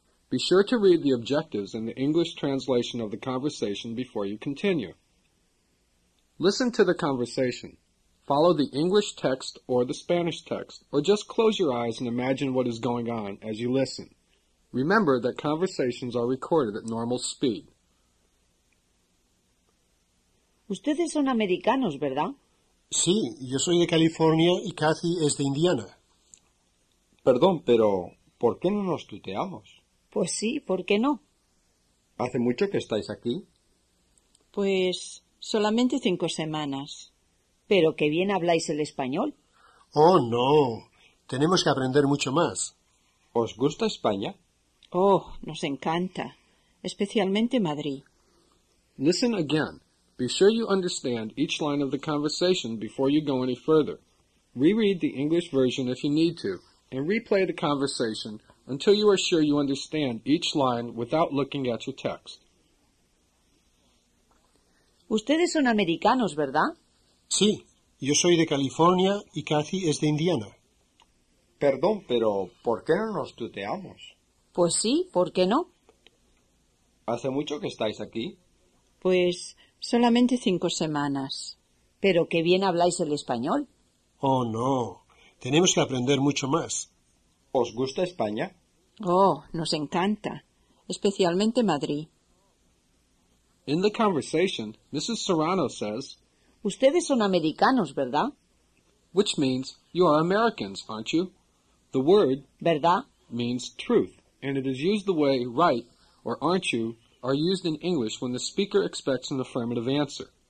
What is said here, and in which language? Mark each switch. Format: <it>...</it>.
<en>Be sure to read the objectives in the English translation of the conversation before you continue. Listen to the conversation. Follow the English text or the Spanish text, or just close your eyes and imagine what is going on as you listen. Remember that conversations are recorded at normal speed.</en> <es>Ustedes son americanos, ¿verdad? Sí, yo soy de California y Kathy es de Indiana. Perdón, pero ¿por qué no nos tuteamos? Pues sí, ¿por qué no? ¿Hace mucho que estáis aquí? Pues solamente 5 semanas. Pero qué bien habláis el español. Oh, no. Tenemos que aprender mucho más. ¿Os gusta España? Oh, nos encanta. Especialmente Madrid.</es> <en>Listen again. Be sure you understand each line of the conversation before you go any further. Reread the English version if you need to, and replay the conversation until you are sure you understand each line without looking at your text.</en> <es>Ustedes son americanos, ¿verdad? Sí, yo soy de California y Kathy es de Indiana. Perdón, pero ¿por qué no nos tuteamos? Pues sí, ¿por qué no? ¿Hace mucho que estáis aquí? Pues solamente 5 semanas. Pero qué bien habláis el español. Oh, no. Tenemos que aprender mucho más. ¿Os gusta España? Oh, nos encanta. Especialmente Madrid.</es> <en>In the conversation, Mrs. Serrano says,</en> <es>Ustedes son americanos, ¿verdad?</es> <en>Which means, you are Americans, aren't you? The word,</en> <es>¿verdad?</es> <en>Means truth, and it is used the way right or aren't you are used in English when the speaker expects an affirmative answer.</en>